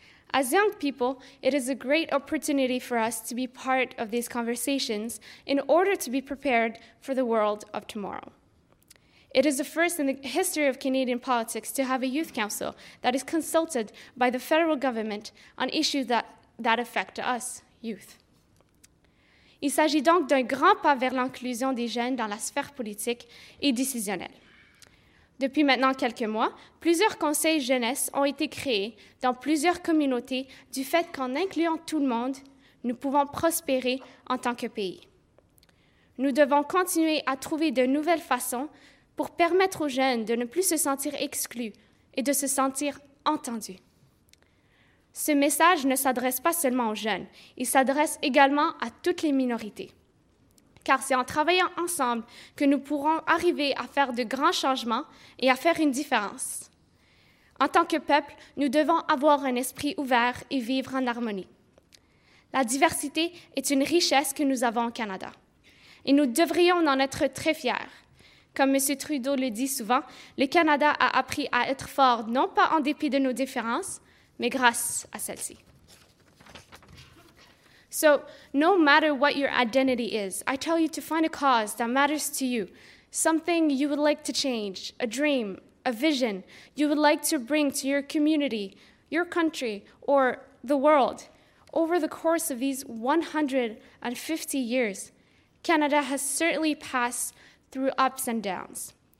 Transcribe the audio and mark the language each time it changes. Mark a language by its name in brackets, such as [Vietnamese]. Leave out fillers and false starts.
[English] As young people, it is a great opportunity for us to be part of these conversations in order to be prepared for the world of tomorrow. It is the first in the history of Canadian politics to have a youth council that is consulted by the federal government on issues that affect us, youth. [French] Il s'agit donc d'un grand pas vers l'inclusion des jeunes dans la sphère politique et décisionnelle. Depuis maintenant quelques mois, plusieurs conseils jeunesse ont été créés dans plusieurs communautés du fait qu'en incluant tout le monde, nous pouvons prospérer en tant que pays. Nous devons continuer à trouver de nouvelles façons pour permettre aux jeunes de ne plus se sentir exclus et de se sentir entendus. Ce message ne s'adresse pas seulement aux jeunes, il s'adresse également à toutes les minorités. Car c'est en travaillant ensemble que nous pourrons arriver à faire de grands changements et à faire une différence. En tant que peuple, nous devons avoir un esprit ouvert et vivre en harmonie. La diversité est une richesse que nous avons au Canada. Et nous devrions en être très fiers. Comme M. Trudeau le dit souvent, le Canada a appris à être fort non pas en dépit de nos différences, mais grâce à celles-ci. [English] So, no matter what your identity is, I tell you to find a cause that matters to you, something you would like to change, a dream, a vision you would like to bring to your community, your country, or the world. Over the course of these 150 years, Canada has certainly passed through ups and downs.